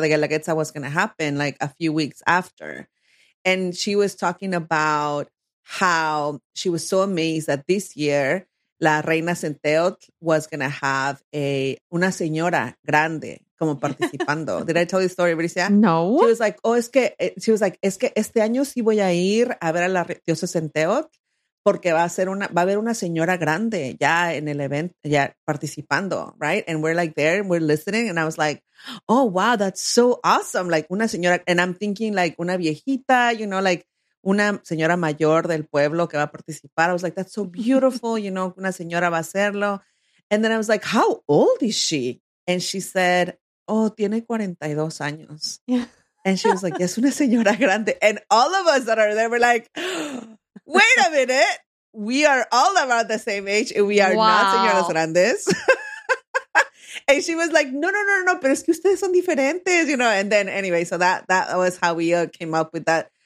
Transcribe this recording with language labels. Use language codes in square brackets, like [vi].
[en] The Guelaguetza was going to happen like a few weeks after. And she was talking about how she was so amazed that this year La Reina Centeotl was going to have [es] una señora grande como participando. [en] Did I tell you the story, Bricia? No. She was like, [es] este año sí voy a ir a ver a la diosa Centeotl porque va a haber una señora grande ya en el evento, ya participando, [en] right? And we're like there, we're listening, and I was like, oh, wow, that's so awesome. Like, [es] una señora, [en] and I'm thinking like [es] una viejita, [en] you know, like, [es] una señora mayor del pueblo que va a participar. [en] I was like, that's so beautiful. You know, [es] una señora va a hacerlo. [en] And then I was like, how old is she? And she said, oh, [es] tiene 42 años. [en] Yeah. And she was like, [es] es una señora grande. [en] And all of us that are there were like, wait a minute. We are all about the same age and we are not [es] señoras grandes. [en] And she was like, [es] no, pero es que ustedes son diferentes, [en] you know? And then anyway, so that was how we came up with that.